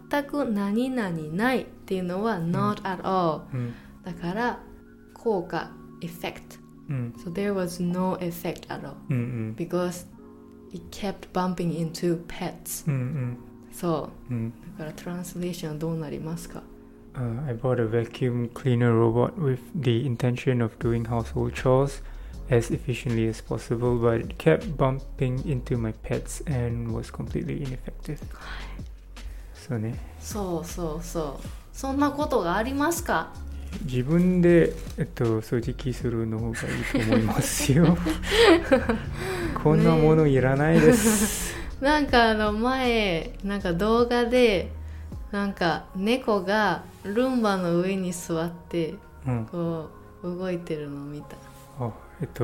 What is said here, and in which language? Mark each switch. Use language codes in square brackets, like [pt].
[ja] 全く何々ないっていうのは [en] not at all、うんうん、 [ja] だから効果 effect、うん、 [en] so there was no effect at all、うんうん、 because it kept bumping into pets、うんうん、そう、うん、 [ja] だからトランスレーションはどうなりますか、 [en] I bought a vacuum cleaner robot with the intention of doing household chores as efficiently as possible, but it kept bumping into my pets and was completely ineffective. [ja] そうね。そうそうそう。そんなことがありますか？自分で、掃除機するの方がいいと思いますよ。こんなものいらないです。なんかあの前なんか動画でなんか猫がルンバの上に座ってこう動いてるのを見た、